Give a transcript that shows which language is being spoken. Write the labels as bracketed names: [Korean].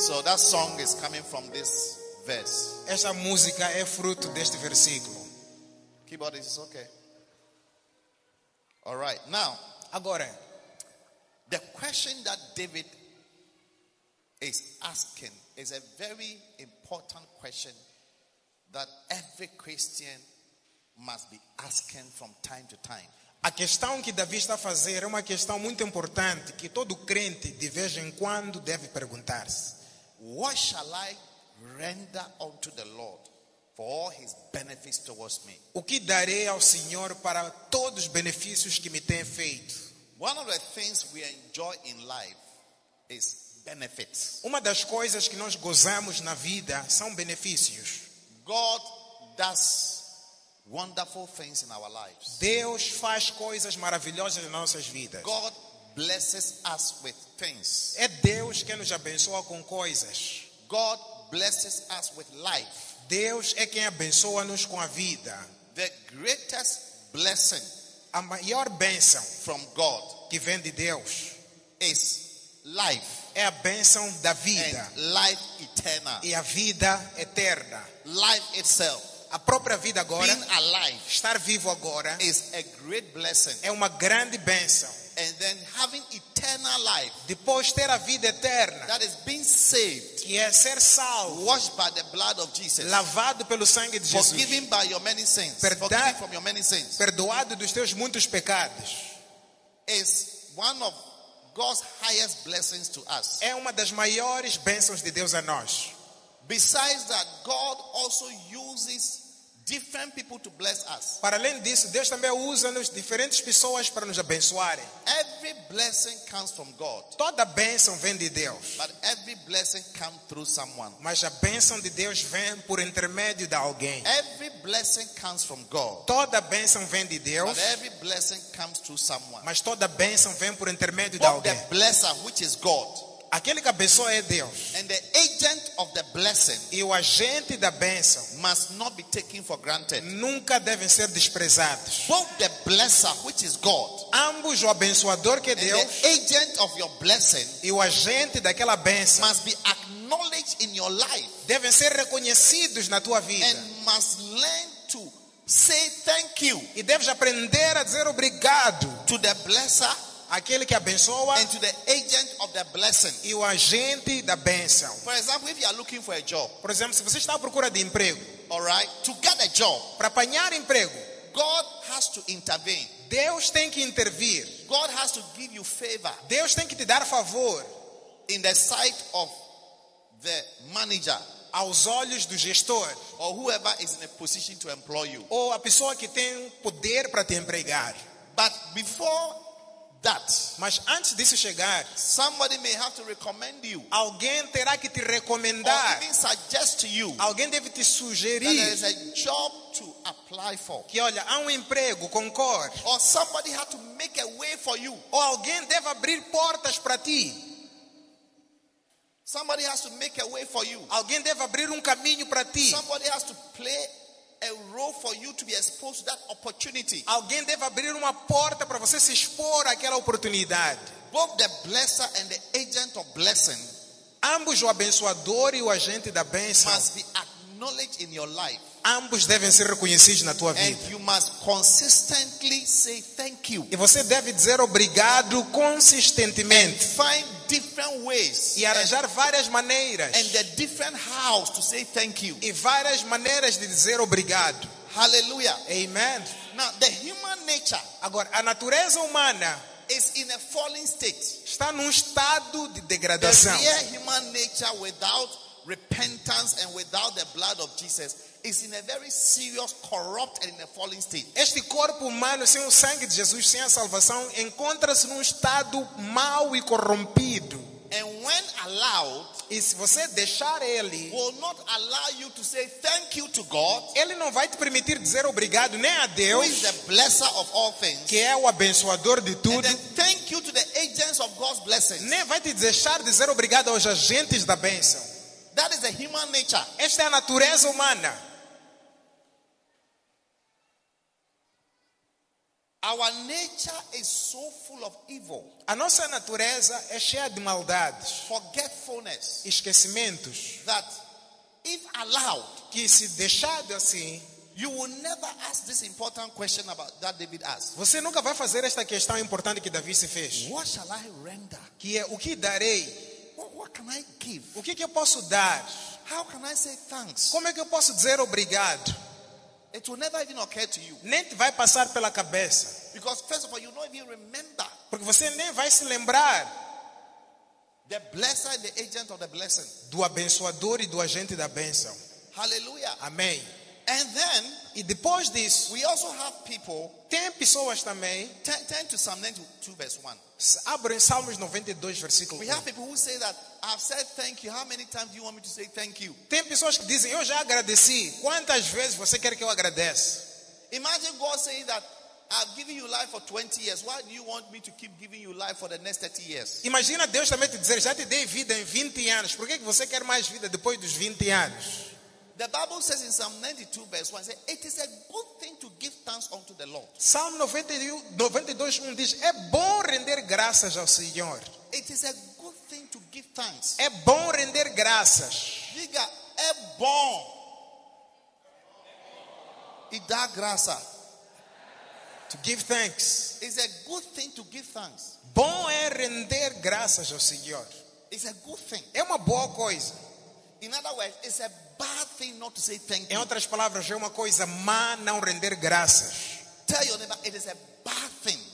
[English] That song is coming from this verse. [Portuguese] Essa música é fruto deste versículo. [English] Keyboard is okay. All right. Now, [Portuguese] agora, [English] the question that David is asking is a very important question that every Christian must be asking from time to time. [Portuguese] A questão que Davi está a fazer é uma questão muito importante que todo crente de vez em quando deve perguntar-se. [English] What shall I render unto the Lord for all his benefits towards me? [Portuguese] O que darei ao Senhor para todos os benefícios que me tem feito? [English] One of the things we enjoy in life is benefits. [Portuguese] Uma das coisas que nós gozamos na vida são benefícios. [English] God does wonderful things in our lives. [Portuguese] Deus faz coisas maravilhosas nas nossas vidas. [English] God blesses us with things. [Portuguese] É Deus quem nos abençoa com coisas. [English] God blesses us with life. [Portuguese] Deus é quem abençoa-nos com a vida. [English] The greatest blessing, [Portuguese] a maior bênção [English] from God, [Portuguese] que vem de Deus, [English] is life. [Portuguese] É a bênção da vida. [English] And life eternal. [Portuguese] E a vida eterna. [English] Life itself. [Portuguese] A própria vida agora. [English] Being alive. [Portuguese] Estar vivo agora. [English] Is a great blessing. [Portuguese] É uma grande bênção. [English] And then having eternal life, [Portuguese] depois ter a vida eterna, [English] that is being saved, [Portuguese] que é ser salvo, [English] washed by the blood of Jesus, [Portuguese] lavado pelo sangue de Jesus, [English] forgiven by your many sins, [Portuguese] perdoado [English] from your many sins, [Portuguese] perdoado dos teus muitos pecados, [English] is one of God's highest blessings to us. [Portuguese] É uma das maiores bênçãos de Deus a nós. [English] Besides that, God also uses different people to bless us. [Portuguese] Para além disso, Deus também usa nos diferentes pessoas para nos abençoarem. [English] Every blessing comes from God. [Portuguese] Toda bênção vem de Deus. [English] But every blessing comes through someone. [Portuguese] Mas a bênção de Deus vem por intermédio de alguém. [English] Every blessing comes from God. [Portuguese] Toda bênção vem de Deus. [English] But every blessing comes through someone. [Portuguese] Mas toda bênção vem por intermédio de alguém. [English] The blesser, which is God. [Portuguese] Aquele que abençoa é Deus. [English] And the agent of the blessing, [Portuguese] e o agente da bênção, [English] must not be taken for granted. [Portuguese] Nunca devem ser desprezados. [English] Both the blesser, which is God, [Portuguese] ambos o abençoador que é [English] and [Portuguese] Deus, [English] the agent of your blessing, [Portuguese] e o agente daquela bênção, [English] must be acknowledged in your life. [Portuguese] Devem ser reconhecidos na tua vida. [English] And must learn to say thank you. [Portuguese] E deves aprender a dizer obrigado [English] to the blesser. [Portuguese] Aquele que abençoa, [English] and to the agent of the blessing. [Portuguese] E o agente da bênção. [English] For example, if you are looking for a job, [Portuguese] por exemplo, se você está à procura de emprego, [English] all right, to get a job, [Portuguese] para apanhar emprego, [English] God has to intervene. [Portuguese] Deus tem que intervir. [English] God has to give you favor. [Portuguese] Deus tem que te dar favor [English] in the sight of the manager. [Portuguese] Aos olhos do gestor, [English] or whoever is in a position to employ you. [Portuguese] Ou a pessoa que tem poder para te empregar. [English] But before that, [Portuguese] mas antes disso chegar, [English] somebody may have to recommend you. [Portuguese] Alguém terá que te recomendar. [English] Or even suggest to you. [Portuguese] Alguém deve te sugerir. [English] That there is a job to apply for. [Portuguese] Que olha, há emprego, concorde. [English] Or somebody had to make a way for you. [Portuguese] Ou alguém deve abrir portas para ti. [English] Somebody has to make a way for you. [Portuguese] Alguém deve abrir caminho para ti. [English] Somebody has to play a role for you to be exposed to that opportunity. [Portuguese] Alguém deve abrir porta para você se expor àquela oportunidade. [English] Both the blesser and the agent of blessing, [Portuguese] ambos o abençoador e o agente da bênção, [English] must be acknowledged in your life. [Portuguese] Ambos devem ser reconhecidos na tua vida. [English] And you must consistently say thank you. [Portuguese] E você deve dizer obrigado consistentemente. [English] And find different ways. [Portuguese] E arranjar várias maneiras. [English] And the different hows to say thank you. [Portuguese] E várias maneiras de dizer obrigado. Hallelujah. Amen. [English] Now the human nature. [Portuguese] Agora a natureza humana [English] is in a fallen state. [Portuguese] Está num estado de degradação. [English] The real human nature without repentance and without the blood of Jesus is in a very serious, corrupt, and in a fallen state. [Portuguese] Este corpo humano sem o sangue de Jesus, sem a salvação, encontra-se num estado mau e corrompido. [English] And when allowed, [Portuguese] e se você deixar ele, [English] will not allow you to say thank you to God. [Portuguese] Ele não vai te permitir dizer obrigado nem a Deus, [English] who is the blesser of all things, [Portuguese] que é o abençoador de tudo. [English] And then thank you to the agents of God's blessings. [Portuguese] Nem vai te deixar dizer obrigado aos agentes da bênção. [English] That is the human nature. [Portuguese] Esta é a natureza humana. [English] Our nature is so full of evil. [Portuguese] A nossa natureza é cheia de maldades. [English] Forgetfulness. [Portuguese] Esquecimentos. [English] That if allowed, [Portuguese] que se deixado assim, [English] you will never ask this important question about that David asked. [Portuguese] Você nunca vai fazer esta questão importante que Davi se fez. [English] What shall I render? [Portuguese] Que é o que darei? [English] What can I give? [Portuguese] O que eu posso dar? [English] How can I say thanks? [Portuguese] Como é que eu posso dizer obrigado? [English] It will never even occur to you. [Portuguese] Nem te vai passar pela cabeça. [English] Because first of all, you don't even remember. [Portuguese] Porque você nem vai se lembrar. [English] The blesser and the agent of the blessing. [Portuguese] Do abençoador e do agente da bênção. Hallelujah. Amém. [English] And then, [Portuguese] e depois disso, [English] we also have people. [Portuguese] Tem pessoas também. [English] Turn to Psalm 92, verse 1. [Portuguese] Abre em Salmos 92, versículo 1. [English] We have people who say that I've said thank you. How many times do you want me to say thank you? [Portuguese] Tem pessoas que dizem, eu já agradeci. Quantas vezes você quer que eu agradeça? [English] Imagine God saying that I've given you life for 20 years. Why do you want me to keep giving you life for the next 30 years? [Portuguese] Imagina Deus também te dizer, já te dei vida em 20 anos. Por que você quer mais vida depois dos 20 anos? [English] The Bible says in Psalm 92, verse 1, it is a good thing to give thanks unto the Lord. [Portuguese] Psalm 92:1 diz, é bom render graças ao Senhor. [English] It is a good thing to give thanks. [Portuguese] É bom render graças. Diga, é bom. E dá graça. [English] To give thanks. It's a good thing to give thanks. [Portuguese] Bom é render graças ao Senhor. [English] It's a good thing. [Portuguese] É uma boa coisa. [English] In other words, it's a bad thing not to say thank you. [Portuguese] Em outras palavras, é uma coisa má não render graças. [English] Tell your neighbor, it is a bad thing.